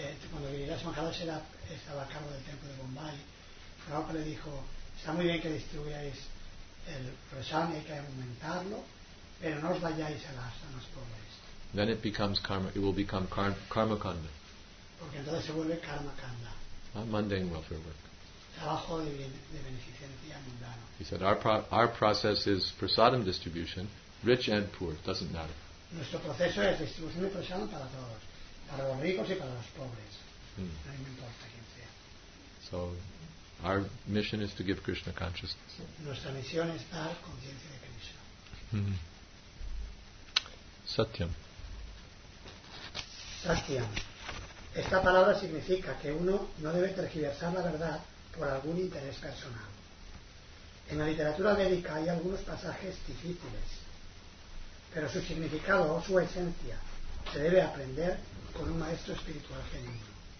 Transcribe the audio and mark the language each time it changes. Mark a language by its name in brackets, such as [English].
[Spanish] Cuando Giriraj Maharaj estaba a cargo del templo de Bombay, Prabhupada le dijo, está muy bien que distribuyáis el prasadam, hay que aumentarlo, pero no os vayáis a las zonas pobres. [English] Then it becomes karma, it will become karma kanda. [Spanish] Porque entonces se vuelve karma kanda. [English] Not mundane welfare work. [Spanish] Trabajo de beneficencia mundano. [English] He said, our process is prasadam distribution, rich and poor, doesn't matter. [Spanish] Nuestro proceso es distribución de prasadam para todos, para los ricos y para los pobres. No importa quién sea. [English] So, our mission is to give Krishna consciousness. [Spanish] Nuestra misión es dar conciencia de Krishna. [Sanskrit] Satyam. Satyam. [Spanish] Esta palabra significa que uno no debe tergiversar la verdad por algún interés personal. En la literatura védica hay algunos pasajes difíciles, pero su significado o su esencia se debe aprender con un maestro espiritual genuino.